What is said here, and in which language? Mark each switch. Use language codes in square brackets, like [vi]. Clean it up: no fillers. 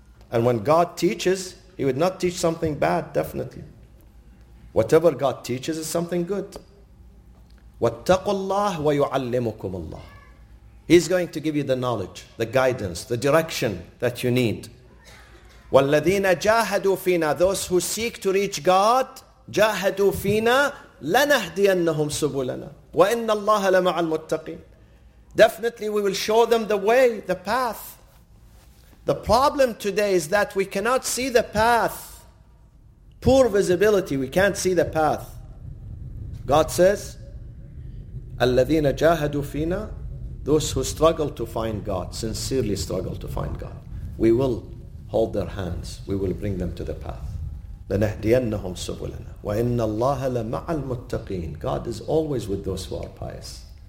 [en] And when God teaches, He would not teach something bad, definitely. Whatever God teaches is something good. [ar] وَاتَّقُوا اللَّهِ وَيُعَلِّمُكُمُ اللَّهِ. [en] He's going to give you the knowledge, the guidance, the direction that you need. [ar] وَالَّذِينَ جَاهَدُوا فِينَا. [en] Those who seek to reach God, [ar] جَاهَدُوا فِينَا لَنَهْدِيَنَّهُمْ سُبُلَنَا وَإِنَّ اللَّهَ لَمَعَ الْمُتَّقِينَ. [en] Definitely we will show them the way, the path. The problem today is that we cannot see the path. Poor visibility, we can't see the path. God says, [ar] الَّذِينَ جَاهَدُوا فِينَا. [en] Those who struggle to find God, sincerely struggle to find God, we will hold their hands, we will bring them to the path. [ar] لَنَهْدِيَنَّهُمْ سُبُلَنَا وَإِنَّ اللَّهَ لَمَعَ الْمُتَّقِينَ. [en] God is always with those who are pious.